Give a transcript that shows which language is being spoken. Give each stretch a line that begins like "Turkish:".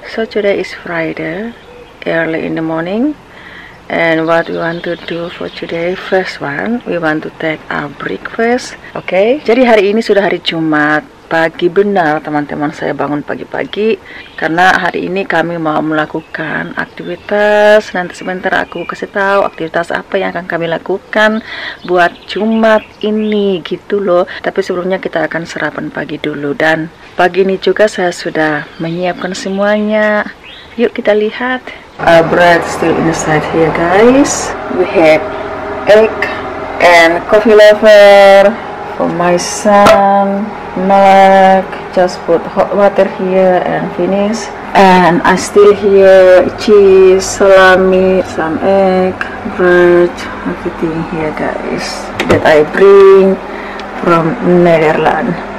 English: So today is Friday, early in the morning. And what we want to do for today, first one, we want to take our breakfast.
Indonesian: Okay? Jadi hari ini sudah hari Jumat. Pagi benar teman-teman, saya bangun pagi-pagi karena hari ini kami mau melakukan aktivitas. Nanti sebentar aku kasih tahu aktivitas apa yang akan kami lakukan buat Jumat ini gitu loh. Tapi sebelumnya kita akan sarapan pagi dulu, dan pagi ini juga saya sudah menyiapkan semuanya. Yuk kita lihat.
English: Our bread still inside here guys. We have egg and coffee lover for my son. Melek, just put hot water here and finish. And I still here cheese, salami, some egg, bread, everything here guys that I bring from Netherlands.